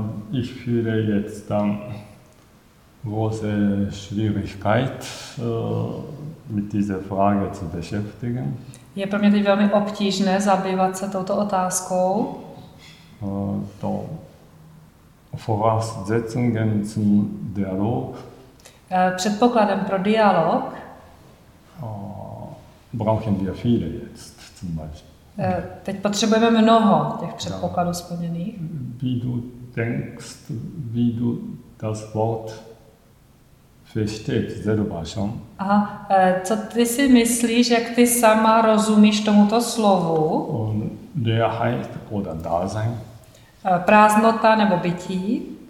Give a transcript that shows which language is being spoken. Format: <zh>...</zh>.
<de>Ich fühle jetzt große Schwierigkeit, mit dieser Frage zu beschäftigen.</de> <cs>Je pro mě teď velmi obtížné zabývat se touto otázkou.</cs> <de>To Voraussetzungen zum Dialog.</de> <cs>Předpokladem pro dialog.</cs> <de>Brauchen wir viele jetzt, zum Beispiel.</de> <cs>Teď potřebujeme mnoho těch předpokladů splněných.</cs> <de>Wie du denkst, wie du das Wort verstehst, selber schon.</de> <cs>Aha, co ty si myslíš, jak ty sama rozumíš tomuto slovu?</cs> <de>Leerheit oder Dasein.</de> <cs>Prázdnota nebo bytí.</cs>